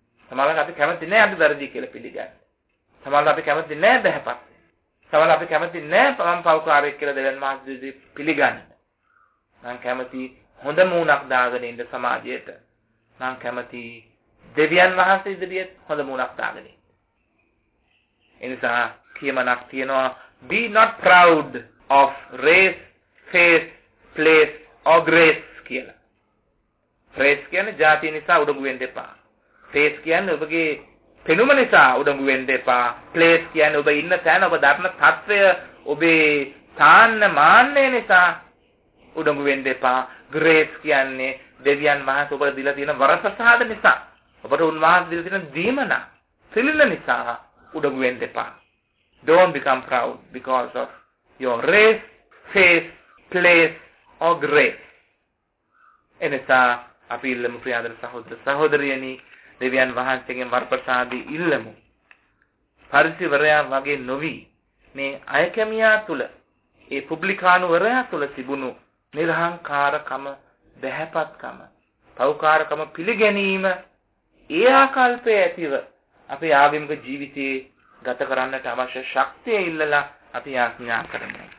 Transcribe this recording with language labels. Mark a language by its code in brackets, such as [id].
[si] සමහරවල් අපි කැමති නැහැ අපි වැරදි කියලා පිළිගන්න. සමහරවල් අපි කැමති නැහැ බහැපත්. සමහරවල් අපි කැමති නැහැ තමන් පෞකාරයක් කියලා දෙවන් මාසෙදි පිළිගන්න. මම කැමති හොඳ මූණක් දාගෙන ඉන්න සමාජයට. මම කැමති දෙවියන් වහන්සේ ඉදිරියේ හොඳ මූණක් දාගෙන ඉන්න. එනිසා කියමනක් තියනවා, [en] Be not proud of race, face, place or grace. [si] Face කියන්නේ ජාතිය නිසා උඩඟු වෙන්න එපා. ෆේස් කියන්නේ ඔබගේ පෙනුම නිසා උඩඟු වෙන්න එපා. ප්ලේස් කියන්නේ ඔබ ඉන්න තැන, ඔබ ධර්ම තත්වය, ඔබේ තාන්න මාන්නය නිසා උඩඟු වෙන්න එපා. ග්‍රේස් කියන්නේ දෙවියන් වහන්සේ ඔබට දීලා තියෙන වරප්‍රසාද නිසා, ඔබට උන්වහන්සේ දීලා තියෙන දීමන සිලින නිසා උඩඟු වෙන්න එපා. [en] Don't become proud because of your race, face, place or grace. [si] එනිසා අපි ඉල්ලමු ප්‍රියාදර සහෝදර සහෝදරියනි, දෙවියන් වහන්සේගෙන් වරප්‍රසාදී ඉල්ලමු. පරිසිවරයා වගේ නොවි මේ අයකැමියා තුල, ඒ පුබ්ලිකානුවරයා තුල තිබුණු නිර්හංකාරකම, බහැපත්කම, පෞකාරකම පිළිගැනීම, ඒ ආකල්පය ඇතිව අපේ ආගමික ජීවිතයේ ගත කරන්නට අවශ්‍ය ශක්තිය ඉල්ලලා අපි ආඥා කරනවා.